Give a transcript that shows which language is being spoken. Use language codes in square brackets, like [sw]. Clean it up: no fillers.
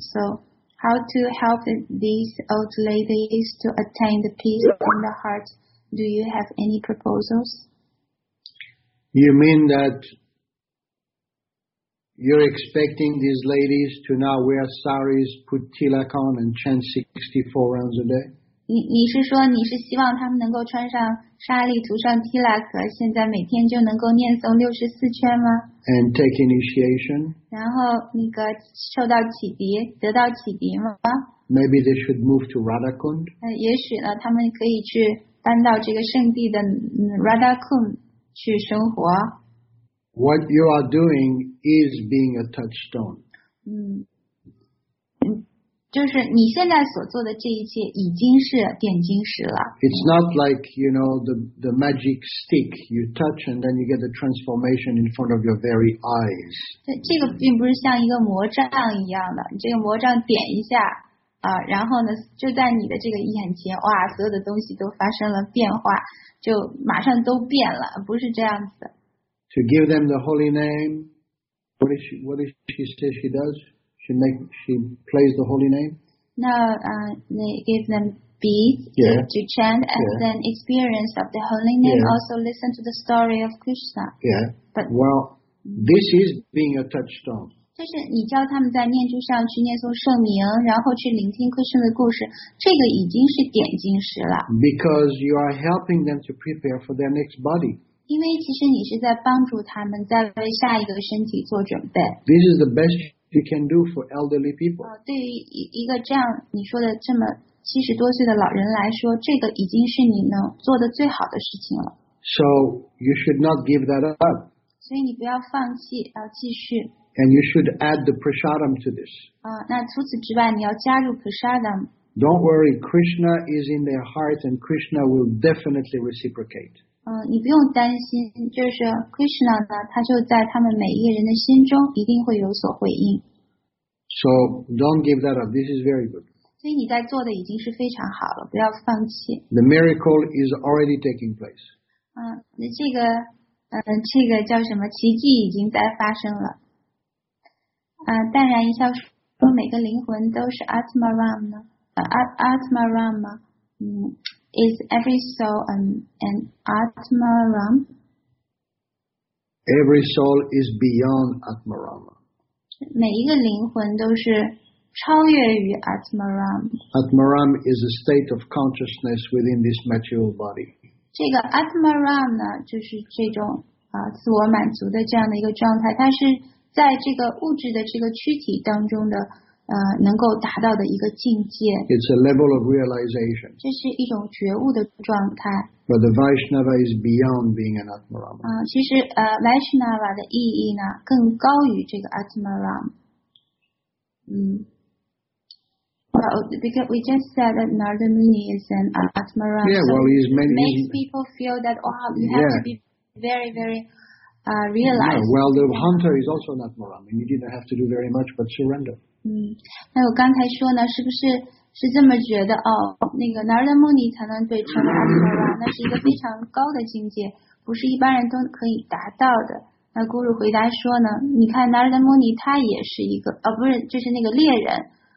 [en] So how to help these old ladies to attain the peace in the heart? Do you have any proposals? You mean that you're expecting these ladies to now wear saris, put tilak on, and chant 64 rounds a day? [zh] 你是说你是希望他们能够穿上纱丽，涂上 tilak， 现在每天就能够念诵64圈吗？ [en] And take initiation. [zh] 然后那个受到启迪，得到启迪吗？ [en] Maybe they should move to Radhakund. [zh] 也许呢，他们可以去搬到这个圣地的 Radhakund。去生活。 [en] What you are doing is being a touchstone. [zh] 就是你现在所做的这一切已经是点金石了。 [en] It's not like, you know, the magic stick you touch and then you get the transformation in front of your very eyes. [zh] 这个并不是像一个魔杖一样的，这个魔杖点一下然后呢就在你的这个眼前，哇，所有的东西都发生了变化，就马上都变了，不是这样子。 [en] To give them the holy name, what does she say she does? She plays the holy name? No, they give them beads, yeah, to chant and yeah, then experience of the holy name, yeah, also listen to the story of Krishna. Yeah, but, well, this is being a touchstone. [zh] 就是你教他们在念珠上去念诵圣名，然后去聆听 Krishna 的故事，这个已经是点金石了。 [en] Because you are helping them to prepare for their next body. [zh] 因为其实你是在帮助他们在为下一个身体做准备。 [en] This is the best you can do for elderly people. [zh] 对于一个这样你说的这么七十多岁的老人来说，这个已经是你能做的最好的事情了。 [en] So you should not give that up. [zh] 所以你不要放弃，要继续。 [en] And you should add the prasadam to this. [zh] 那除此之外，你要加入 prasadam。 [en] Don't worry, Krishna is in their heart, and Krishna will definitely reciprocate. [zh] 你不用担心，就是 Krishna 呢，他就在他们每一个人的心中，一定会有所回应。 [en] So don't give that up. This is very good. [zh] 所以你在做的已经是非常好了，不要放弃。 [en] The miracle is already taking place. [zh] 这个叫什么？奇迹已经在发生了。淡然一笑说每个灵魂都是 Atmaram 呢？ [en] Atmaram 吗？Is every soul an Atmaram? Every soul is beyond Atmaram. [zh] 每一个灵魂都是超越于 Atmaram。 [en] Atmaram is a state of consciousness within this material body. [zh] 这个 Atmaram 呢，就是这种自我满足的这样的一个状态，它是在这个物质的这个躯体当中的能够达到的一个境界。 [en] It's a level of realization. [zh] 这是一种觉悟的状态。 [en] But the Vaishnava is beyond being an Atmarama. [zh] 其实Vaishnava 的意义呢更高于这个 Atmarama。 [en] Because we just said that Narada Muni is an Atmaran. Yeah, well, he's many. It makes people feel that, oh, you have to be very, very realized. Yeah, well, the hunter is also an Atmaran, and you didn't have to do very much but surrender. [zh] 那我刚才说呢，是不是是这么觉得哦？那个 Narada Muni 才能对成为 Atmaran， 那是一个非常高的境界，不是一般人都可以达到的。那 Guru 回答说呢，你看 Narada Muni 他也是一个，不是，就是那个猎人。